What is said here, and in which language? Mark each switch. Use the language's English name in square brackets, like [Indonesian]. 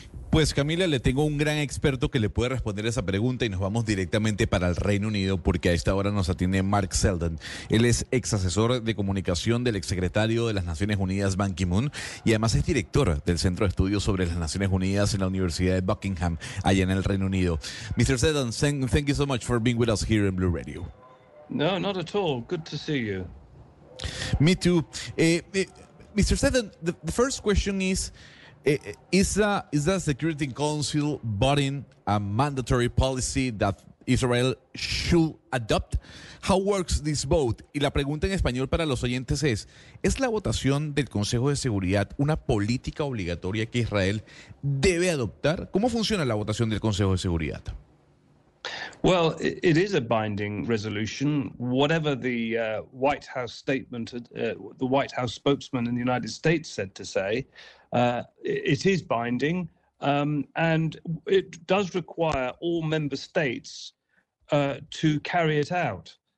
[Spanish] Pues Camila, le tengo un gran experto que le puede responder esa pregunta y nos vamos directamente para el Reino Unido porque a esta hora nos atiende Mark Selden. Él es ex asesor de comunicación del exsecretario de las Naciones Unidas, Ban Ki-moon, y además es director del Centro de Estudios sobre las Naciones Unidas en la Universidad de Buckingham, allá en el Reino Unido. [English] Mr. Selden, thank you so much for being with us here in Blue Radio. No, not at all. Good to see you. Me too. Mr. Selden, the first question is, Is the Security Council voting a mandatory policy that Israel should adopt? How works this vote? [Spanish] Y la pregunta en español para los oyentes ¿es la votación del Consejo de Seguridad una política obligatoria que Israel debe adoptar? ¿Cómo funciona la votación del Consejo de Seguridad? [English] Well, it is a binding resolution. Whatever the White House statement, the White House spokesman in the United States said to say, it is binding, and it does require all member states to carry it out.